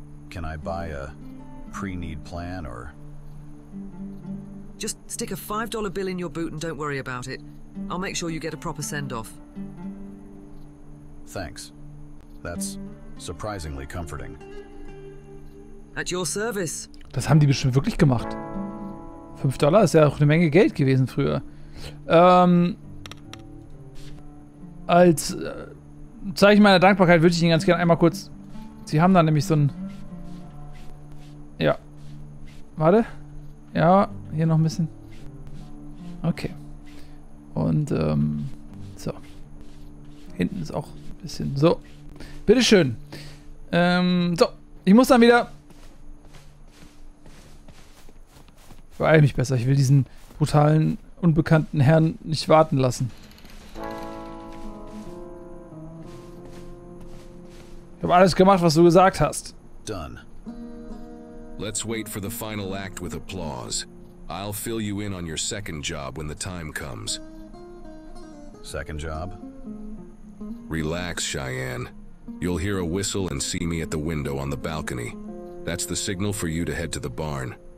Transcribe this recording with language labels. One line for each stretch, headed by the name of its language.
English: Can I buy a pre-need plan or... Just stick a $5 bill in your boot and don't worry about it. I'll make sure you get a proper send-off. Thanks. That's surprisingly comforting. At your service.
German: Das haben die bestimmt wirklich gemacht. $5 ist ja auch eine Menge Geld gewesen früher. Als Zeichen meiner Dankbarkeit würde ich Ihnen ganz gerne einmal kurz... Sie haben da nämlich so ein... Ja. Warte. Ja, hier noch ein bisschen. Okay. Und so. Hinten ist auch ein bisschen so. Bitteschön. So, ich muss dann wieder... Beeil mich besser, ich will diesen brutalen, unbekannten Herrn nicht warten lassen. Ich habe alles gemacht, was du gesagt hast.
English: Done. Let's wait for the final act with applause. I'll fill you in on your second job when the time comes. Second job? Relax, Cheyenne. You'll hear a whistle and see me at the window on the balcony. That's the signal for you to head to the barn.